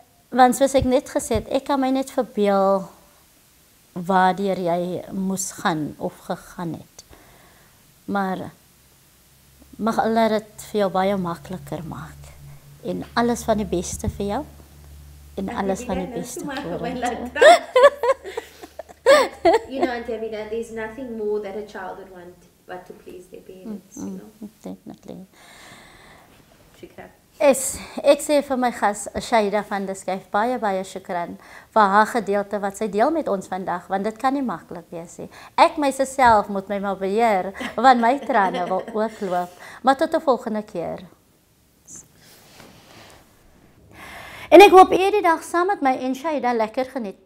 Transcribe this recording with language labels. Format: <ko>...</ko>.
<af>want soos ek net gesê het, ek kan my net verbeel waardeur jy moes gaan of gegaan het. Maar mag Allah dit vir jou baie makliker maak. En alles van die beste vir jou. En alles van die beste vir jou.</af> <en>You know, Auntie Abida, there's nothing more that a child would want but to please their parents, you know. Definitely.</en> <af>Shukran. Yes, ek sê vir my gas, Shaida van die Skyf, baie, baie shukran vir haar gedeelte wat sy deel met ons vandag, want dit kan nie makkelijk wees. Ek myself moet my maar beheer, want my tranen wil ook loop. Maar tot die volgende keer. En ek hoop hierdie dag saam met my en Shaida lekker geniet.</af>